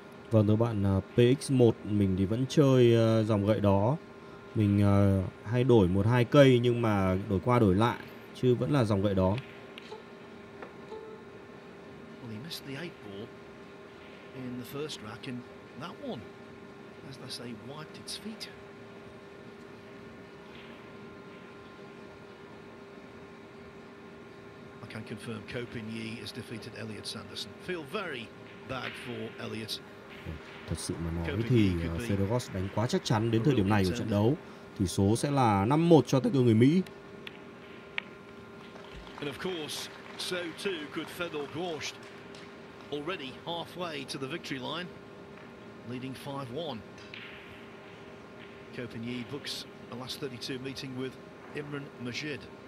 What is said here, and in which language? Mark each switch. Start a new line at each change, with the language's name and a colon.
Vietnamese: Vâng, thưa bạn, PX1 mình thì vẫn chơi dòng gậy đó. Mình hay đổi một hai cây nhưng mà đổi qua đổi lại, chứ vẫn là dòng gậy đó.
English: Well, he missed the 8 ball in the first rack, and that one, as they say, wiped its feet. Can confirm Copin Yee has defeated Elliot Sanderson. Feel very bad for Elliot.
Vietnamese: Thật sự mà nói thì Fedorov đánh quá chắc chắn đến thời điểm này của trận đấu. Tỷ số sẽ là 5-1 cho tay cơ người Mỹ.
English: And of course, so too could Fedor Gorsht. Already halfway to the victory line, leading 5-1. Copin Yee books a last 32 meeting with Imran Majid.